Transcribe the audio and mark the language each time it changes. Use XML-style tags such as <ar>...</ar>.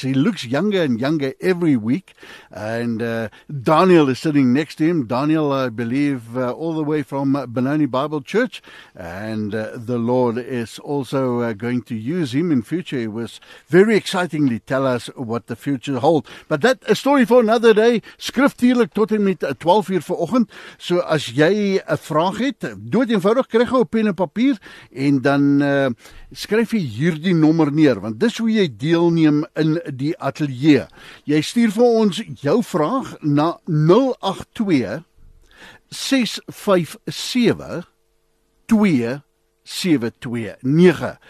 <en>He looks younger and younger every week, and Daniel is sitting next to him. Daniel, I believe, all the way from Benoni Bible Church, and the Lord is also going to use him in future. He was very excitingly tell us what the future holds. But that a story for another day.</en> <af>Skriftuurlik tot en met 12 uur vanoggend. So as jy 'n vraag het, doet eenvoudig, kry gou 'n pen en papier en dan skryf jy hierdie nommer neer, want dis hoe jy deelneem in die ateljee. Jy stuur vir ons jou vraag na 082 657 2729.</af>